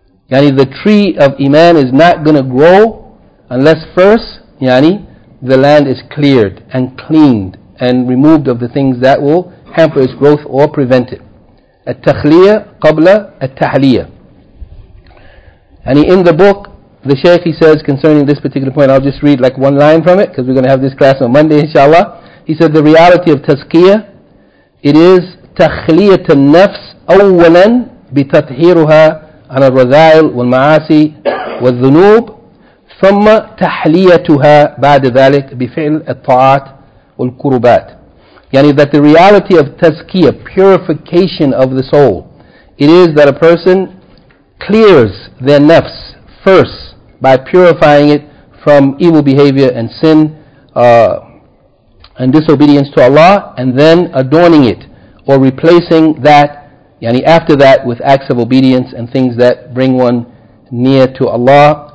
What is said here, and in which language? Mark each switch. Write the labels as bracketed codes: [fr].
[en] Yani, the tree of Iman is not going to grow unless first, yani, the land is cleared and cleaned and removed of the things that will hamper its growth or prevent it. At-Takhliya Qabla At-Tahliya. And in the book, the Shaykh, he says concerning this particular point, I'll just read like one line from it, because we're going to have this class on Monday, inshallah. He said, the reality of tazkiyah, it is [ar] تخليه النفس اولا بتطهيرها عن الرذائل والمعاصي والذنوب ثم تحليتها بعد ذلك بفعل الطاعات والقربات. [en] يعني that the reality of tazkiyah, purification of the soul, it is that a person clears their nafs first by purifying it from evil behavior and sin and disobedience to Allah, and then adorning it or replacing that, yani after that, with acts of obedience and things that bring one near to Allah.